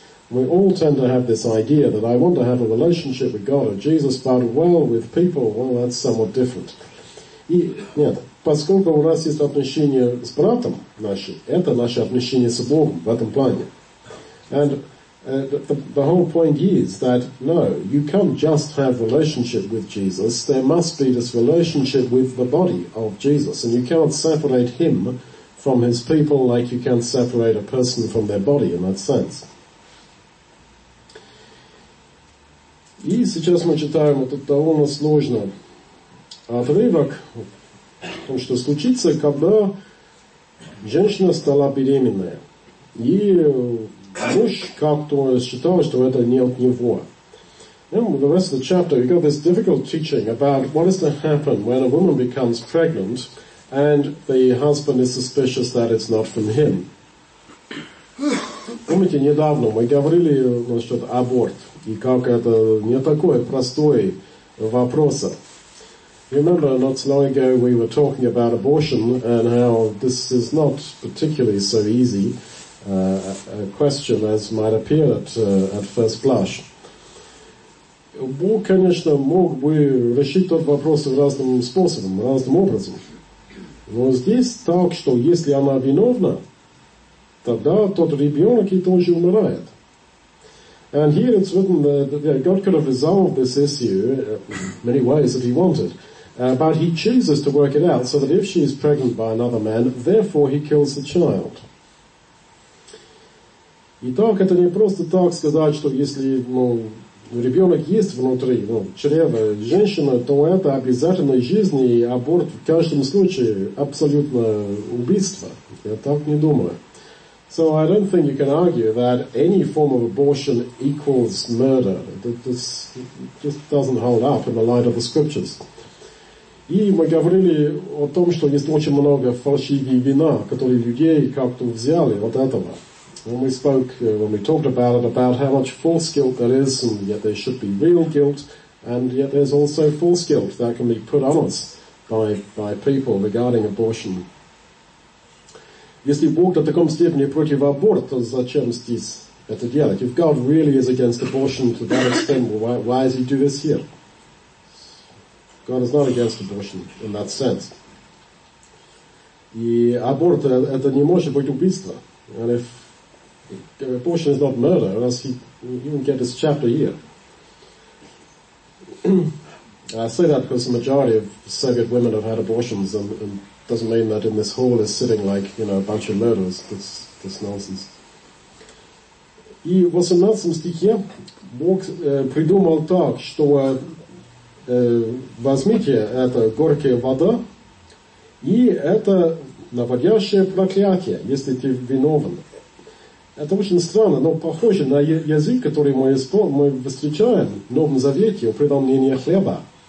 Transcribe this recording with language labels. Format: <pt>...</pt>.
<en>We all tend to have this idea that I want to have a relationship with God or Jesus, but well, with people, well, that's somewhat different.</en> <ru>И нет, поскольку у нас есть отношения с братом нашим, это наши отношения с Богом в этом плане.</ru> <en>And the whole point is that no, you can't just have relationship with Jesus. There must be this relationship with the body of Jesus, and you cannot separate him from his people like you can't separate a person from their body in that sense.</en> <ru>И сейчас мы читаем, это довольно сложно, отрывок, потому что случится, когда женщина стала беременная. И муж как-то считал, что это не от него.</ru> <en>And the rest of the chapter, we got this difficult teaching about what is to happen when a woman becomes pregnant and the husband is suspicious that it's not from him.</en> <ru>Помните, недавно мы говорили насчет аборт, и как это не такой простой вопрос.</ru> <en>Remember, not so long ago we were talking about abortion and how this is not particularly so easy a question as might appear at first blush.</en> <ru>Бог, конечно, мог бы решить тот вопрос разным способом, разным образом. Но здесь так, что если она виновна, тогда тот ребенок и тоже умирает.</ru> <en>And here it's written that God could have resolved this issue many ways if he wanted, but he chooses to work it out so that if she is pregnant by another man, therefore he kills the child.</en> <ru>Итак, это не просто так сказать, что если, ну, ребенок есть внутри, ну, чрева женщины, то это обязательно жизнь, и аборт в каждом случае абсолютно убийство. Я так не думаю.</ru> <en>So I don't think you can argue that any form of abortion equals murder. This just doesn't hold up in the light of the scriptures.</en> <ru>И мы говорили о том, что есть очень много фальшивых вин, которые людей как-то взяли от этого.</ru> <en>When we spoke, when we talked about how much false guilt there is, and yet there should be real guilt, and yet there's also false guilt that can be put on us by people regarding abortion.</en> <ru>Если Бог на таком степени против аборта, то зачем здесь это делать?</ru> <en>If God really is against abortion to that extent, why does he do this here? God is not against abortion in that sense.</en> <ru>И аборт – это не может быть убийство.</ru> <en>And if abortion is not murder, or else he wouldn't get this chapter here. I say that because the majority of Soviet women have had abortions and doesn't mean that in this hall is sitting like, you know, a bunch of murderers. That's nonsense.</en> <ru>И в 18 стихе Бог придумал так, что возьмите это горькое вода, и это наводящее проклятие, если ты виновен. Это очень странно, но похоже на язык, который мы встречаем в Новом Завете, предомнение хлеба.</ru>